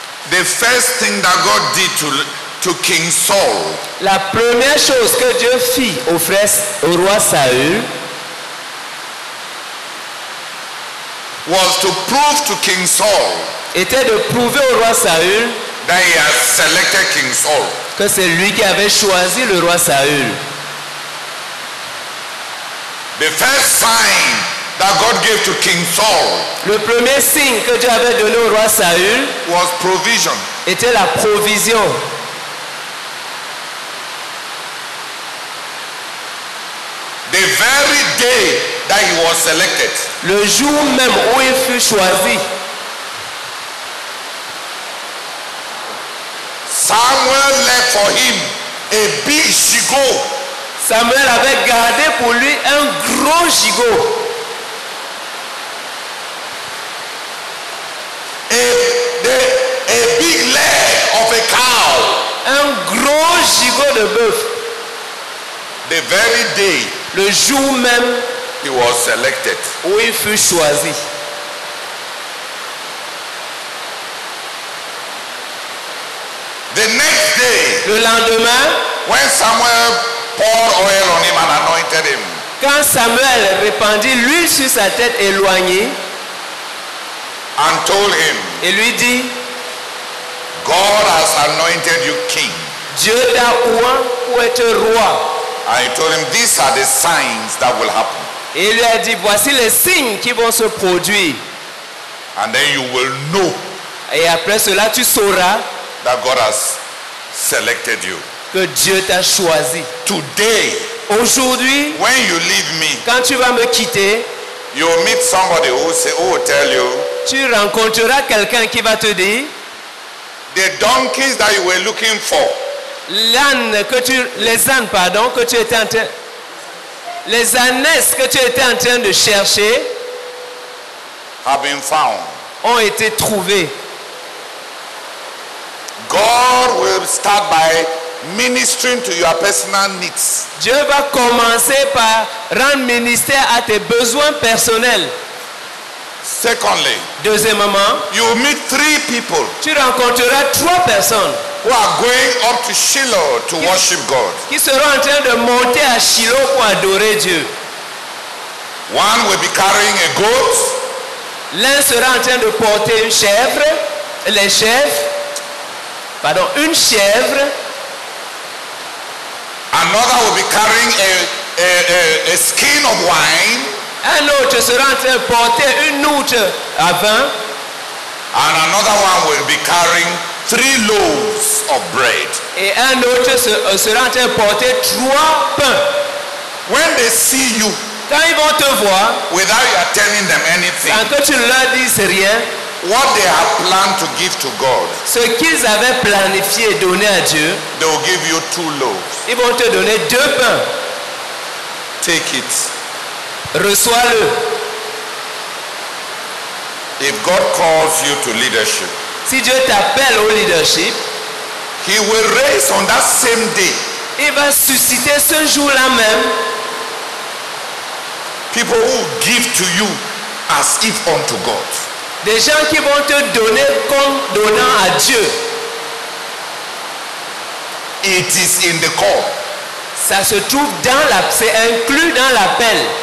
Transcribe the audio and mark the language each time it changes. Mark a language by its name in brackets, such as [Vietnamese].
[English] The first thing that God did to King Saul. [French] La première chose que Dieu fit au roi Saül [English] was to prove to King Saul. [French] Était de prouver au roi Saül [English] that he had selected King Saul. [French] Que c'est lui qui avait choisi le roi Saül. [English] The first sign that God gave to King Saul. [French] Le premier signe que Dieu avait donné au roi Saül [English] was provision. [French] Était la provision. [English] The very day that he was selected. [French] Le jour même où il fut choisi. [English] Samuel left for him a big gigot. [French] Samuel avait gardé pour lui un gros gigot. [English] A big leg of a cow. [French] Un gros gigot de bœuf. [English] The very day. [French] Le jour même. [English] He was selected. [French] Où il fut choisi. [English] The next day. [French] Le lendemain. [English] When Samuel poured oil on him and anointed him. [French] Quand Samuel répandit l'huile sur sa tête éloignée. [English] And told him. [French] Et lui dit, [English] God has anointed you king. [French] Dieu t'a oint pour être roi. [English] And he told him, these are the signs that will happen. [French] Et lui a dit, voici les signes qui vont se produire. [English] And then you will know. [French] Et après cela, tu sauras. [English] That God has selected you. [French] Que Dieu t'a choisi. [English] Today. [French] Aujourd'hui. [English] When you leave me. [French] Quand tu vas me quitter. [English] You will meet somebody who will tell you. [French] Tu rencontreras quelqu'un qui va te dire. [English] The donkeys that you were looking for. [French] L'âne que tu, les ânes, pardon, que tu étais en train, les ânes que tu étais en train de chercher. [English] Have been found. [French] Ont été trouvés. [English] God will start by ministering to your personal needs. [French] Dieu va commencer par rendre ministère à tes besoins personnels. [English] Secondly, [French] deuxièmement, [English] you meet three people. [French] Tu rencontreras trois personnes. [English] Who are going up to Shiloh to worship God? [French] Qui seront en train de monter à Shiloh pour adorer Dieu. [English] One will be carrying a goat. [French] L'un sera en train de porter une chèvre. Les chèvres. Pardon, une chèvre. [English] Another will be carrying a skin of wine. [French] Un autre sera en train de porter une outre à vin. [English] And another one will be carrying 3 loaves of bread. [French] Et un autre sera en train de porter 3 pains. [English] When they see you, [French] quand ils vont te voir, [English] without you telling them anything, [French] sans que tu ne leur dises rien, [English] what they have planned to give to God, [French] ce qu'ils avaient planifié donner à Dieu, [English] they will give you 2 loaves. [French] Ils vont te donner 2 pains. [English] Take it. [French] Reçois-le. [English] If God calls you to leadership, [French] si Dieu t'appelle au leadership, [English] He will raise on that same day. [French] Il va susciter ce jour-là même. [English] People who give to you as if unto God. [French] Des gens qui vont te donner comme donnant à Dieu. [English] It is in the call. [French] Ça se trouve dans la, c'est inclus dans l'appel.